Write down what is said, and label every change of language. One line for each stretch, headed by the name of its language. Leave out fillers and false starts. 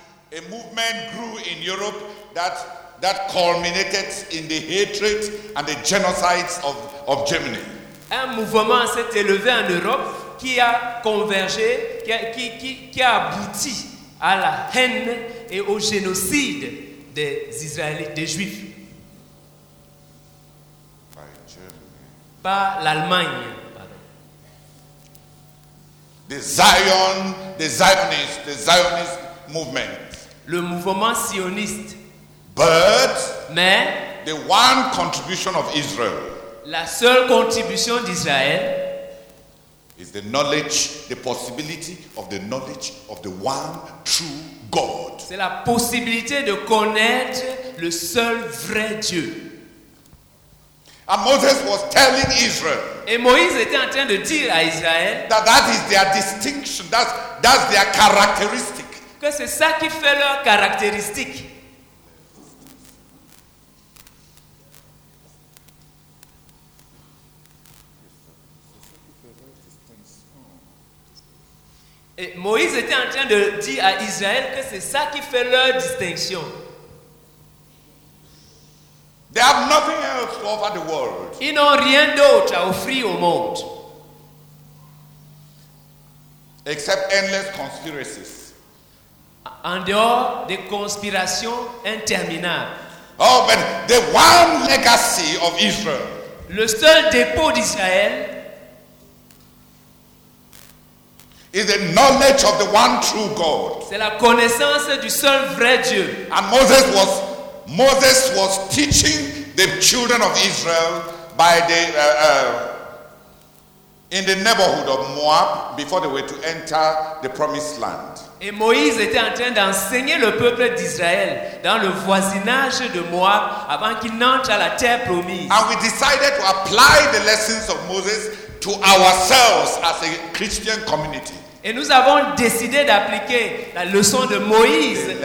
English: A movement grew in Europe that culminated in the hatred and the genocides of Germany.
French: Un mouvement s'est élevé en Europe qui a convergé, qui a abouti à la haine et au génocide des Israélites, des Juifs.
English: By Germany.
French: Par l'Allemagne.
English: The Zionist movement.
French: Le mouvement sioniste.
English: But
French: mais
English: the one contribution of Israel.
French: La seule contribution d'Israël
English: is the knowledge, the possibility of the knowledge of the one true God.
French: C'est la possibilité de connaître le seul vrai Dieu.
English: And Moses was telling Israel.
French: Et Moïse était en train de dire à Israël.
English: That is their distinction. That's their characteristic.
French: Que c'est ça qui fait leur caractéristique. Et Moïse était en train de dire à Israël que c'est ça qui fait leur distinction.
English: They have nothing else to offer the world.
French: Ils n'ont rien d'autre à offrir au monde.
English: Except endless conspiracies.
French: En dehors des conspirations interminables.
English: Oh, but the one legacy of Israel.
French: Le seul dépôt d'Israël.
English: Is the knowledge of the one true God.
French: C'est la connaissance du seul vrai Dieu.
English: And Moses was teaching the children of Israel by the in the neighborhood of Moab before they were to enter the promised land.
French: Et Moïse était en train d'enseigner le peuple d'Israël dans le voisinage de Moab avant qu'il n'entre à la terre promise.
English: And we decided to apply the lessons of Moses to ourselves as a Christian community.
French: Et nous avons décidé d'appliquer la leçon de Moïse.